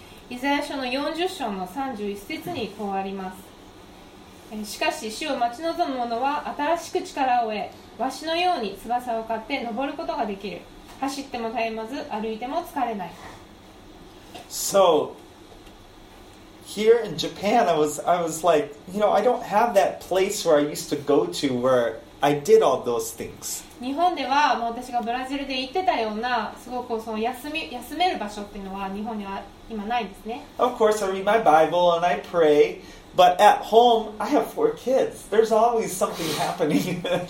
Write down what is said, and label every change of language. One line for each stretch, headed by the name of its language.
Japanese: イザヤ書の40章の31節にこうあります。しかし主を待ち望む者は新しく力を得。わしのように翼を買って登ることができる。走っても絶えまず、歩いても疲れない。
English: So, here in Japan, I was like, you know, I don't have that place where I used to go to where I did all those things.
Japanese: 日本ではもう私がブラジルで行ってたようなすごくその休める場所っていうのは日本には今ないですね。
English: Of course, I read my Bible and I pray. But at home, I have four kids. There's always something happening.